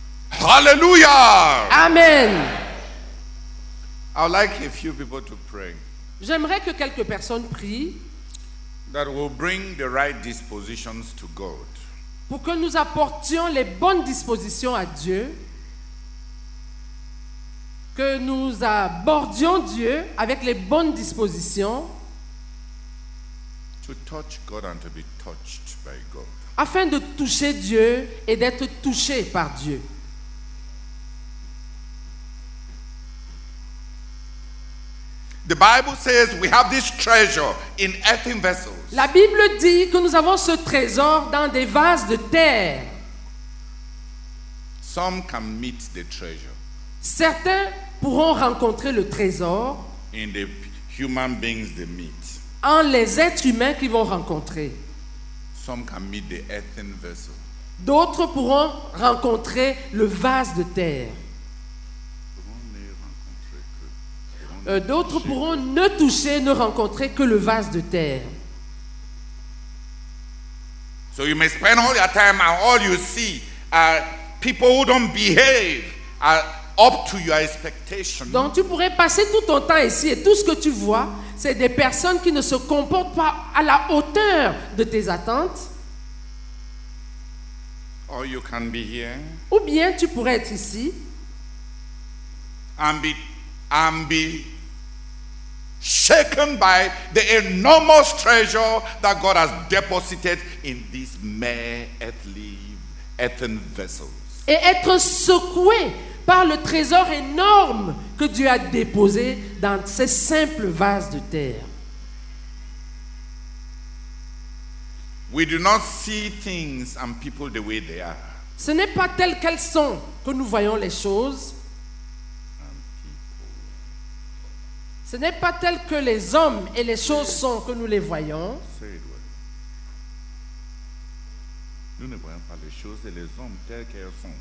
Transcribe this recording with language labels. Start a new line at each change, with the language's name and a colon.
English: Hallelujah. Amen. I would like a few people to pray.
French: J'aimerais que quelques personnes prient.
English: That will bring the right dispositions to God.
French: Pour que nous apportions les bonnes dispositions à Dieu. Que nous abordions Dieu avec les bonnes dispositions.
English: To touch God and to be touched by God.
French: Afin de toucher Dieu et d'être touché par Dieu.
English: The Bible says we have this treasure in earthen vessels.
French: La Bible dit que nous avons ce trésor dans des vases de terre.
English: Some can meet the treasure.
French: Certains pourront rencontrer le trésor.
English: In the human beings they meet.
French: En les êtres humains qu'ils vont rencontrer.
English: Some can meet the earthen vessel.
French: D'autres pourront rencontrer le vase de terre. D'autres pourront ne toucher, ne rencontrer que le vase de terre.
English: So you may spend all your time and all you see are people who don't behave up to your expectation.
French: Donc tu pourrais passer tout ton temps ici et tout ce que tu vois, c'est des personnes qui ne se comportent pas à la hauteur de tes attentes.
English: Or you can be here.
French: Ou bien tu pourrais être ici.
English: And be shaken by the enormous treasure that God has deposited in these mere earthen vessels.
French: Et être secoué par le trésor énorme que Dieu a déposé dans ces simples vases de terre.
English: We do not see things and people the way they are.
French: Ce n'est pas tel qu'elles sont que nous voyons les choses. Ce n'est pas tel que les hommes et les choses sont que nous les voyons. Nous ne voyons pas les choses et les hommes tels qu'elles sont.